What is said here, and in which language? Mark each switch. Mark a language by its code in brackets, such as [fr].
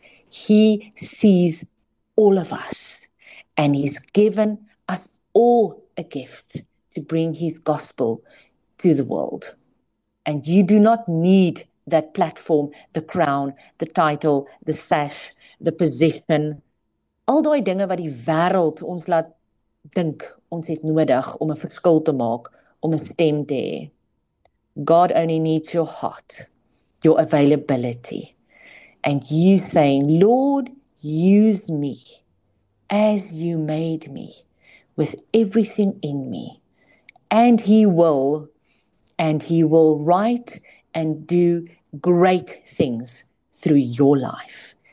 [en] He sees all of us and he's given us all a gift to bring his gospel to the world. And you do not need that platform, the crown, the title, the sash, the position. [af] Al daai dinge wat die wêreld ons laat dink ons het nodig om 'n verskil te maak, om 'n stem te hê. [en] God only needs your heart, your availability, and you saying, Lord, use me as you made me, with everything in me. And he will, and he will write and do great things through your life.